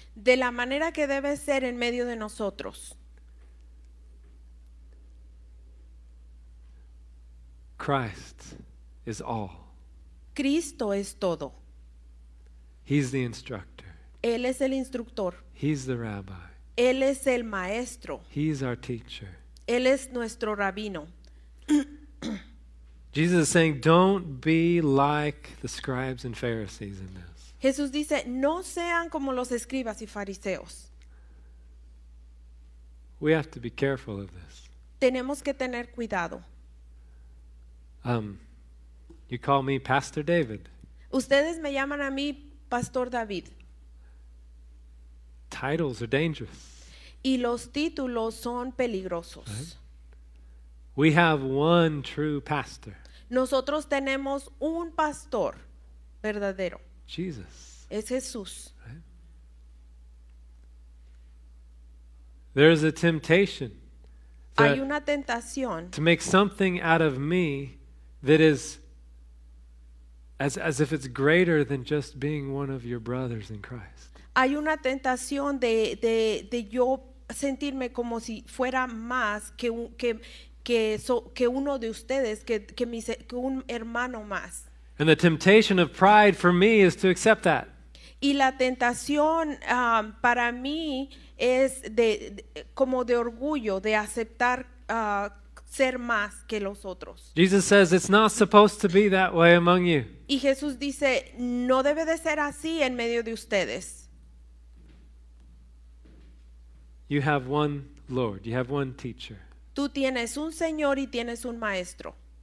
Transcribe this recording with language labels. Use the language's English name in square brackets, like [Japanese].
[Spanish] De la manera que debe ser en medio de nosotros. [English] Christ is all. [Spanish] Cristo es todo. [English] He's the instructor. [Spanish] Él es el instructor. [English] He's the rabbi. [Spanish] Él es el maestro. [English] He's our teacher. [Spanish] Él es nuestro rabino. [English] Jesus is saying, don't be like the scribes and Pharisees in this. [Spanish] Jesús dice, no sean como los escribas y fariseos. [English] We have to be careful of this. [Spanish] Tenemos que tener cuidado. [English] You call me Pastor David. [Spanish] Ustedes me llaman a mí Pastor David. [English] Titles are dangerous. [Spanish] Y los títulos son peligrosos. [English] Right? We have one true pastor. [Spanish] Nosotros tenemos un pastor verdadero. [English] Jesus. [Spanish] Es Jesús. [English] Right? There is a temptation. [Spanish] Hay una tentación. [English] To make something out of me that is as if it's greater than just being one of your brothers in Christ. [Spanish] Hay una tentación de yo sentirme como si fuera más que un, que uno de ustedes, que un hermano más. [English] And the temptation of pride for me is to accept that. [Spanish] Y la tentación para mí es como de orgullo, de aceptar ser más que los otros. [English] Jesus says it's not supposed to be that way among you. [Spanish] Y Jesús dice, no debe de ser así en medio de ustedes. [English] You have one Lord, you have one teacher. [Spanish] Tú tienes un Señor y tienes un Maestro.